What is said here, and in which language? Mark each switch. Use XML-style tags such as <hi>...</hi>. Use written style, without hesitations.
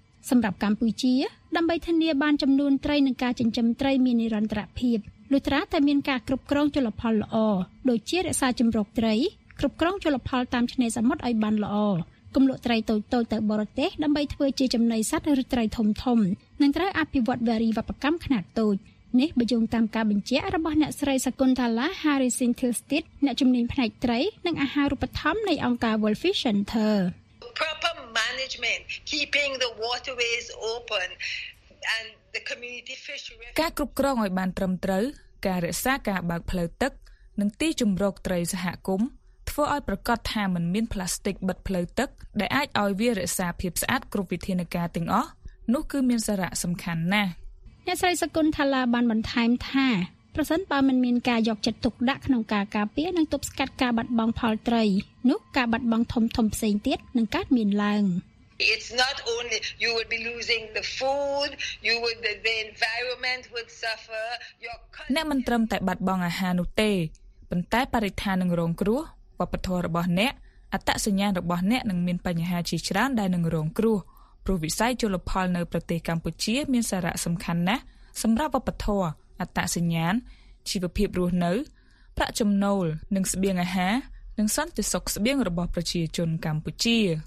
<km>សម្រាប់កម្ពុជាដើម្បីធានាបានចំនួនត្រីនិងការចិញ្ចឹមត្រីមាននិរន្តរភាពលុះត្រាតែមានការគ្រប់គ្រងជលផលល្អដូចជារក្សាចម្រុកត្រីគ្រប់គ្រងជលផលតាមឆ្នេរសមុទ្រឲ្យបានល្អគំលក់ត្រីតូចៗទៅបរទេសដើម្បីធ្វើជាចំណីសត្វឬត្រីធំៗនិងត្រូវអភិវឌ្ឍវារីវប្បកម្មខ្នាតតូចនេះបញ្ជាក់តាមការបញ្ជាក់របស់អ្នកស្រីសកុនថាឡា Harrison Tilstead អ្នកជំនាញផ្នែកត្រីនិងអាហារូបត្ថម្ភនៃអង្គការ World Fish Center</km> <en>Proper management keeping the waterways open and the community fishery</en> <km>ការគ្រប់គ្រងឲ្យបានត្រឹមត្រូវការរក្សាការបើកផ្លូវទឹកនិងទីជម្រកត្រីសហគមន៍ធ្វើឲ្យប្រកាសថាមិនមានផ្លាស្ទិកបិទផ្លូវទឹកដែលអាចឲ្យវារក្សាភាពស្អាតគ្រប់វិធានការទាំងអស់នោះគឺមានសារៈសំខាន់ណាស់អ្នកស្រីសកុនថាឡាបានបន្ថែមថាប្រសិនបើមិនមានការយកចិត្តទុកដាក់ក្នុងការការពារនិងទប់ស្កាត់ការបាត់បង់ផលត្រីនោះការបាត់បង់ធំធំផ្សេងទៀតនឹងកើតមានឡើង</km> <en>It's not only you would be losing the food you would the environment would suffer your</en> <km>អ្នកមិនត្រឹមតែបាត់បង់អាហារនោះទេប៉ុន្តែបរិស្ថាននឹងរងគ្រោះវប្បធម៌របស់អ្នកអតសញ្ញាណរបស់អ្នកនឹងមានបញ្ហាជាច្រើនដែលនឹងរងគ្រោះព្រោះវិស័យជលផលនៅប្រទេសកម្ពុជាមានសារៈសំខាន់ណាស់សម្រាប់វប្បធម៌អតសញ្ញាណជីវភាពរស់នៅប្រាក់ចំណូលនិងស្បៀងអាហារនិងសន្តិសុខស្បៀងរបស់ប្រជាជនកម្ពុជា</km>